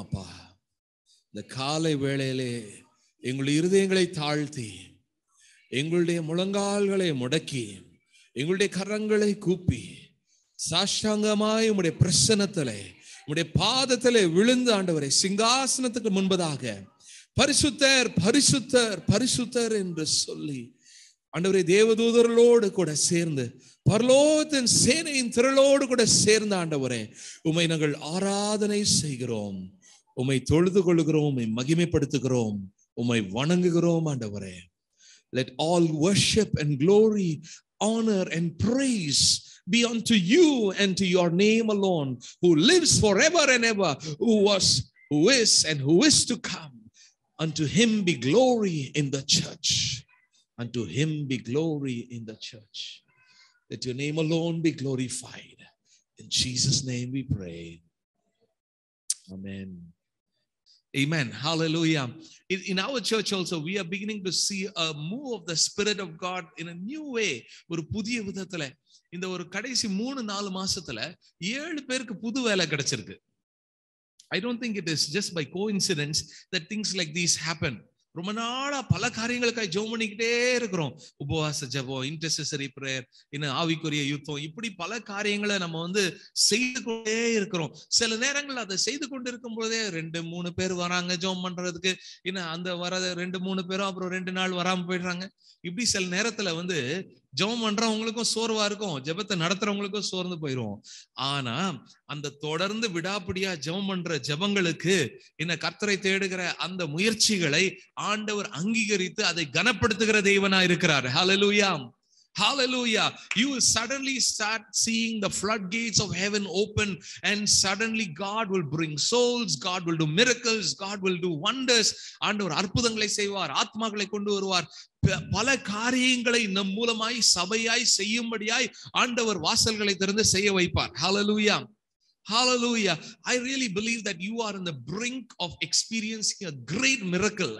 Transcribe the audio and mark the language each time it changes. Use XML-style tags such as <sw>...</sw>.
<ta>அப்பா, இந்த காலை வேளையிலே எங்களுடைய இருதயங்களை தாழ்த்தி, எங்களுடைய முழங்கால்களை முடக்கி, எங்களுடைய கரங்களை கூப்பி, சாஷ்டாங்கமாய் உம்முடைய பிரசன்னத்திலே உம்முடைய பாதத்திலே விழுந்து ஆண்டவரே சிங்காசனத்துக்கு முன்பதாக பரிசுத்தர் பரிசுத்தர் பரிசுத்தர் என்று சொல்லி ஆண்டவரே தேவதூதர்களோடு கூட சேர்ந்து பரலோகத்தின் சேனையின் திரளோடு கூட சேர்ந்த ஆண்டவரே, உமை நாங்கள் ஆராதனை செய்கிறோம், உமை தொழுது கொள்கிறோம், உமை மகிமைப்படுத்துகிறோம், உமை வணங்குகிறோம் ஆண்டவரே.</ta> <en>Let all worship and glory, honor and praise be unto you and to your name alone, who lives forever and ever, who was, who is, and who is to come. Unto him be glory in the church. Unto him be glory in the church. Let your name alone be glorified. In Jesus' name we pray. Amen. Amen. Hallelujah. In our church also, we are beginning to see a move of the Spirit of God in a new way.</en> <ta>ஒரு புதிய விதத்துல இந்த ஒரு கடைசி மூணு நாலு மாசத்துல ஏழு பேருக்கு புது வேலை கிடைச்சிருக்கு.</ta> <en>I don't think it is just by coincidence that things like these happen.</en> <ta>ரொம்ப நாளா பல காரியங்களுக்காக ஜெபம் பண்ணிக்கிட்டே இருக்கிறோம். உபவாச ஜெபம், இன்டர்செசரி பிரேயர், இன்னும் ஆவிக்குரிய யுத்தம், இப்படி பல காரியங்களை நம்ம வந்து செய்து கொண்டே இருக்கிறோம். சில நேரங்கள் அதை செய்து கொண்டு இருக்கும் போதே ரெண்டு மூணு பேர் வராங்க ஜெபம் பண்றதுக்கு, இன்னும் அந்த வர ரெண்டு மூணு பேரும் அப்புறம் ரெண்டு நாள் வராம போயிடுறாங்க. இப்படி சில நேரத்துல வந்து ஜெபம் பண்றவங்களுக்கும் சோர்வா இருக்கும், ஜெபத்தை நடத்துறவங்களுக்கும் சோர்ந்து போயிருவோம். ஆனா அந்த தொடர்ந்து விடாப்பிடியா ஜெபம் பண்ற ஜெபங்களுக்கு, என்ன கர்த்தரை தேடுகிற அந்த முயற்சிகளை ஆண்டவர் அங்கீகரித்து அதை கனப்படுத்துகிற தெய்வனா இருக்கிறார்.</ta> <en>Hallelujah, hallelujah. You suddenly start seeing the flood gates of heaven open, and suddenly God will bring souls, God will do miracles, God will do wonders.</en> <ta>ஆண்டவர் அற்புதங்களை செய்வார், ஆத்மாக்களை கொண்டு வருவார், பல காரியங்களை நம் மூலமாய் சபையாய் செய்யும்படியாய் ஆண்டவர் வாசல்களை திறந்து செய்ய வைப்பார். ஹல்லேலூயா, hallelujah.</ta> <en>I really believe that you are in the brink of experiencing a great miracle.</en>